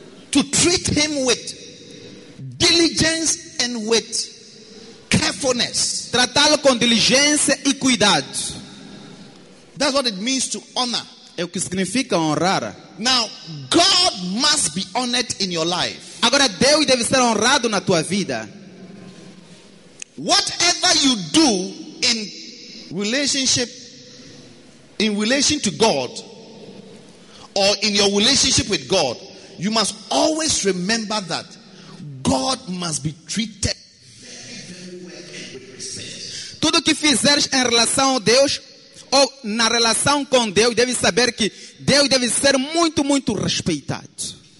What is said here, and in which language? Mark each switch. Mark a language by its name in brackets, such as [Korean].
[English] To treat him with diligence and with carefulness. [Portuguese] Tratá-lo com diligência e cuidado. [English] That's what it means to honor. [Portuguese] É o que significa honrar. [English] Now, God must be honored in your life. [Portuguese] Agora Deus deve ser honrado na tua vida. [English] Whatever you do in relationship, in relation to God, or in your relationship with God, you must always remember that God must be treated with respect. [Portuguese] Tudo que fizeres em relação a Deus ou na relação com Deus, deve saber que Deus deve ser muito, muito respeitado.